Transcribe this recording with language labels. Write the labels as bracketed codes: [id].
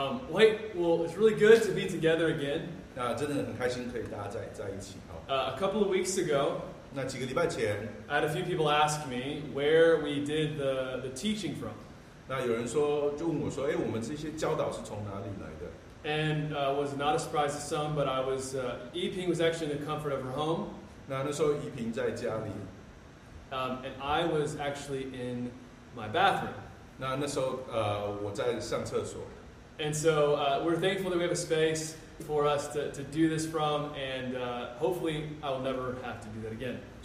[en] Wait, well, it's really good to be together again. [zh] 真的很开心可以大家在一起。 [en] A couple of weeks ago, [zh] 那几个礼拜前, [en] I had a few people ask me where we did the teaching from. [zh] 那有人说,就问我说, 诶, 我们这些教导是从哪里来的? [en] And it was not a surprise to some, but I was, Yiping was actually in the comfort of her home. [zh] 那时候Yiping在家里, [en] and I was actually in my bathroom. [zh] 那时候我在上厕所。 [en] And so we're thankful that we have a space for us to do this from, and hopefully I will never have to do that again.